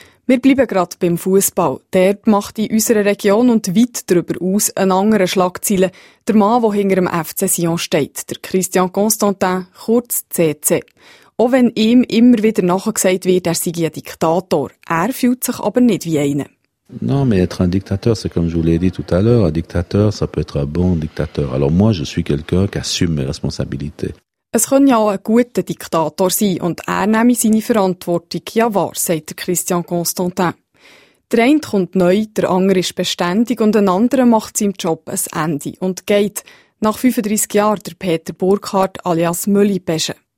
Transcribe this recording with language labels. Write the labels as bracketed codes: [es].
[de] Wir bleiben gerade beim Fußball. Der macht in unserer Region und weit darüber aus einen anderen Schlagzeilen. Der Mann, der hinter dem FC Sion steht, der Christian Constantin, kurz CC. Auch wenn ihm immer wieder nachgesagt wird, er sei ein Diktator. Er fühlt sich aber nicht wie einer. [fr] Non, mais être un dictateur, c'est comme je vous l'ai dit tout à l'heure, un dictateur, ça peut être un bon dictateur. Alors moi, je suis quelqu'un qui assume mes responsabilités. [de] Es könne ja auch ein guter Diktator sein und er nehme seine Verantwortung ja wahr, sagt Christian Constantin. Der eine kommt neu, der andere ist beständig und ein anderer macht seinem Job ein Ende und geht. Nach 35 Jahren der Peter Burkhardt alias Müllibesche.